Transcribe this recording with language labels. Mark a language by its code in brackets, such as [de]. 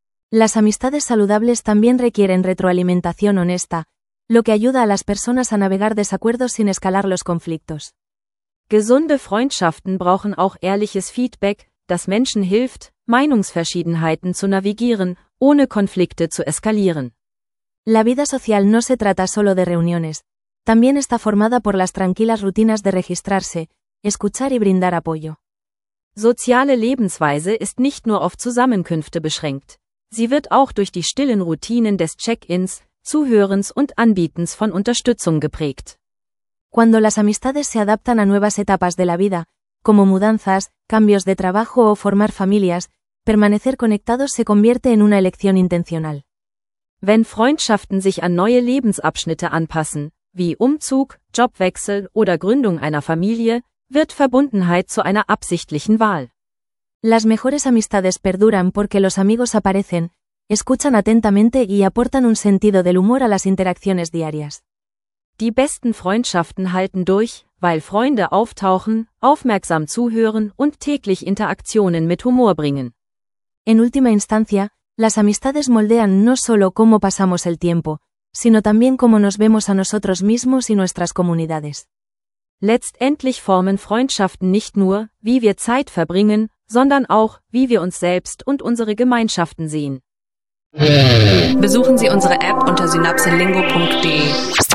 [es] Las amistades saludables también requieren retroalimentación honesta, lo que ayuda a las personas a navegar desacuerdos sin escalar los conflictos. [de] Gesunde Freundschaften brauchen auch ehrliches Feedback, das Menschen hilft, Meinungsverschiedenheiten zu navigieren, ohne Konflikte zu eskalieren. [es] La vida social no se trata solo de reuniones. También está formada por las tranquilas rutinas de registrarse, escuchar y brindar apoyo. [de] Soziale Lebensweise ist nicht nur auf Zusammenkünfte beschränkt. Sie wird auch durch die stillen Routinen des Check-ins, Zuhörens und Anbietens von Unterstützung geprägt. [es] Cuando las amistades se adaptan a nuevas etapas de la vida, como mudanzas, cambios de trabajo o formar familias, permanecer conectados se convierte en una elección intencional. [de] Wenn Freundschaften sich an neue Lebensabschnitte anpassen, wie Umzug, Jobwechsel oder Gründung einer Familie, wird Verbundenheit zu einer absichtlichen Wahl. [es] Las mejores amistades perduran porque los amigos aparecen, escuchan atentamente y aportan un sentido del humor a las interacciones diarias. [de] Die besten Freundschaften halten durch, weil Freunde auftauchen, aufmerksam zuhören und täglich Interaktionen mit Humor bringen. [es] En última instancia, las amistades moldean no solo cómo pasamos el tiempo, sino también cómo nos vemos a nosotros mismos y nuestras comunidades. [de] Letztendlich formen Freundschaften nicht nur, wie wir Zeit verbringen, sondern auch, wie wir uns selbst und unsere Gemeinschaften sehen. Besuchen Sie unsere App unter synapsenlingo.de.